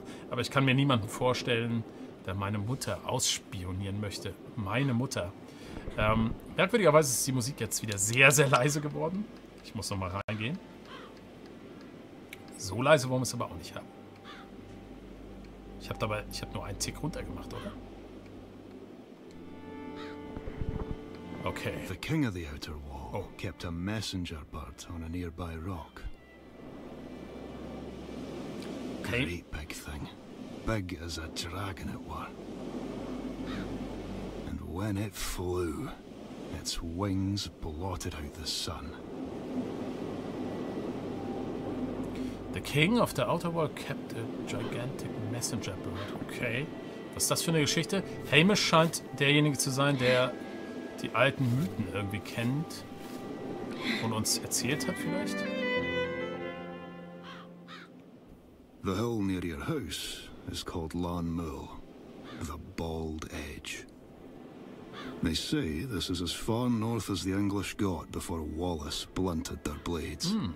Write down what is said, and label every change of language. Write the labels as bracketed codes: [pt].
[de] Aber ich kann mir niemanden vorstellen, der meine Mutter ausspionieren möchte. Meine Mutter. Merkwürdigerweise ist die Musik jetzt wieder sehr, sehr leise geworden. Ich muss nochmal reingehen. So leise wollen wir es aber auch nicht haben. Ich habe nur einen Tick runtergemacht, oder? Okay. [en] The King of the Outer Wall kept a messenger bird on a nearby rock. Okay. Great big thing. Big as a dragon it were. And when it flew, its wings blotted out the sun. The King of the Outer Wall kept a gigantic messenger bird. Okay. [de] Was ist das für eine Geschichte? Hamish scheint derjenige zu sein, der die alten Mythen irgendwie kennt und uns erzählt hat vielleicht. [en] The hill near your house is called Lan Mul, the Bald Edge. They say this is as far north as the English got before Wallace blunted their blades.